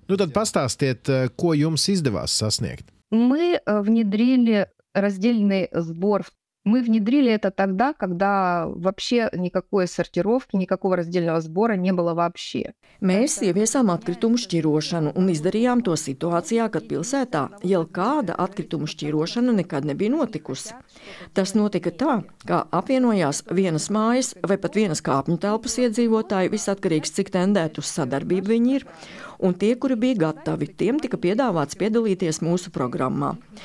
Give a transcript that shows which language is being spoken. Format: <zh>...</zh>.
<lv>Nu, tad pastāstiet, ko jums izdevās sasniegt.</lv> <ru>Мы внедрили раздельный сбор. Мы внедрили это тогда, когда вообще никакой сортировки, никакого раздельного сбора не было вообще.</ru> <lv>Mēs ieviesām atkritumu šķirošanu un izdarījām to situācijā, kad pilsētā jau kāda atkritumu šķirošana nekad nebija notikusi. Tas notika tā, ka apvienojās vienas mājas vai pat vienas kāpņu telpas iedzīvotāji, viss atkarīgs, cik tendēt uz sadarbību viņi ir, un tie, kuri bija gatavi, tiem tika piedāvāts piedalīties mūsu programmā.</lv>